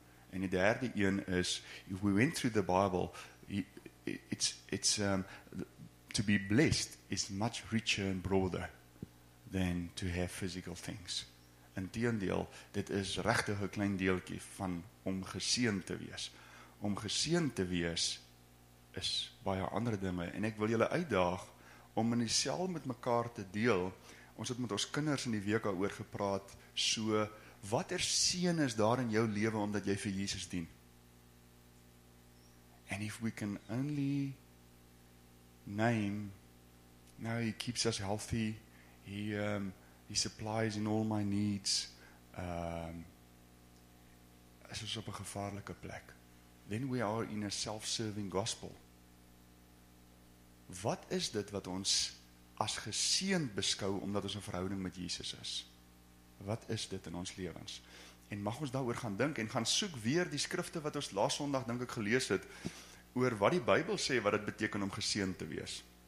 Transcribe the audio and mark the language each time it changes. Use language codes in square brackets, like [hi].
[af] En die derde een is, [en] if we went through the Bible, it's to be blessed is much richer and broader than to have physical things. [af] In teendeel, dit is regtig 'n klein deeltjie van om geseën te wees. Om geseën te wees is baie andere dinge, en ek wil julle uitdaag om in die sel met mekaar te deel. Ons het met ons kinders in die week al oor gepraat, so, wat er seën is daar in jou lewe omdat jy vir Jesus dien? [en] And if we can only name, now he keeps us healthy, he supplies in all my needs, [af] is ons op 'n gevaarlike plek. [en] Then we are in a self-serving gospel. [af] Wat is dit wat ons as geseend beskou omdat ons 'n verhouding met Jesus is? Wat is dit in ons lewens? En mag ons daaroor gaan dink en gaan soek weer die skrifte wat ons laas Sondag dink ek gelees het oor wat die Bybel sê wat dit beteken om geseend te wees.